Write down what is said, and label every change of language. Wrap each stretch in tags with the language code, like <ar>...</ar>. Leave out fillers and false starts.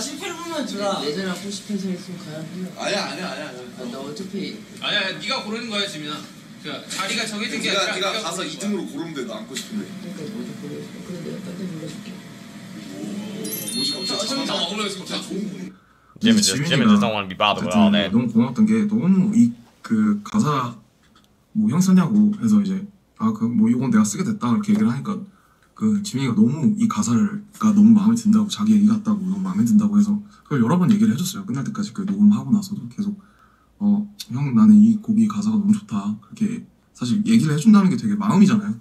<ko>48만 주라. 예전에 하고 싶은 생각 있으면 가야 돼요. 아니야. 나 어차피. 아니야, 네가 고르는 거야, 지민아. 자리가 정해진 게 아니라 네가 가서 2등으로 고르면 돼. 나 앉고 싶은데. 그러니까 먼저 고르겠어. 그래, 내가 딴 데 눌러줄게. 오, 어차피 다 먹으려고 했어. 지민이</ko> <en>don't want to be bothered with all that.</en> <ko>너무 고마웠던 게 너무 이 그 가사 뭐 형 썼냐고 해서 이제 아 그 뭐 이건 내가 쓰게 됐다 이렇게 얘기를 하니까 그 지민이가 너무 이 가사가 너무 마음에 든다고 자기 얘기 같다고 너무 마음에 든다고 해서 그걸 여러 번 얘기를 해줬어요. 끝날 때까지 그 녹음하고 나서도 계속 어 형 나는 이 곡이 가사가 너무 좋다 그렇게 사실 얘기를 해준다는 게 되게 마음이잖아요.</ko>